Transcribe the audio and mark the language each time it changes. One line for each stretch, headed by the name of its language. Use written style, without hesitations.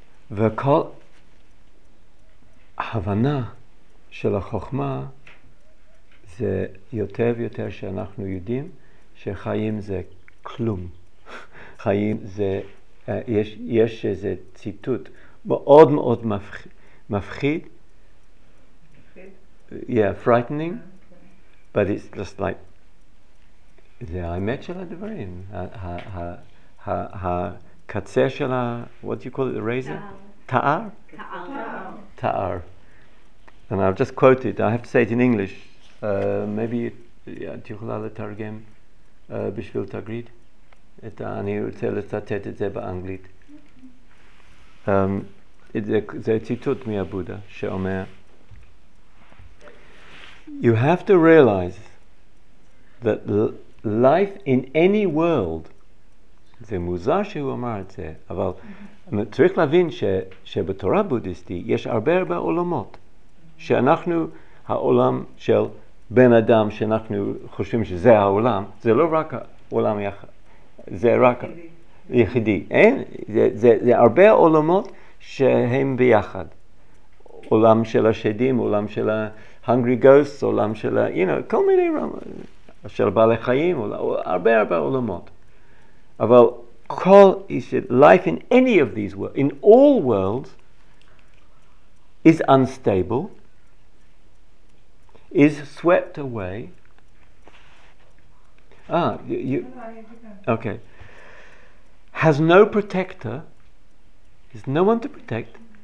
Hebrew: וכל ההבנה של החוכמה זה יותר ויותר שאנחנו יודעים שחיים זה כלום. חיים זה יש איזה ציטוט מאוד מאוד מפחיד.
English: Yeah, frightening. But it's just like
Hebrew: זה האמת של הדברים. הקצה של ה...
English: What do you call it? The razor?
Hebrew: Ta'ar? Ta'ar. Ta'ar.
English: And I've just quoted, I have to say it in English.
Hebrew: Maybe תיוכל לתרגם בשביל תגריד. אני רוצה לצטט את זה באנגלית. זה ציטוט מהבודה שאומר,
English: you have to realize that life in any world,
Hebrew: זה מוזר שהוא אמר את זה, אבל צריך להבין שבתורה בודיסטי יש הרבה הרבה עולמות, שאנחנו העולם של בן אדם, שאנחנו חושבים שזה העולם, זה לא רק העולם יחד, זה רק יחידי. אין, זה הרבה עולמות שהם ביחד. עולם של השדים, עולם של ה-Hungry Ghosts, עולם של ה... you know, כל מיני רמות, של בעלי חיים, הרבה הרבה עולמות. אבל כל,
English: life in any of these worlds, in all worlds, is unstable, is swept away. Okay. Has no protector. There's no one to protect.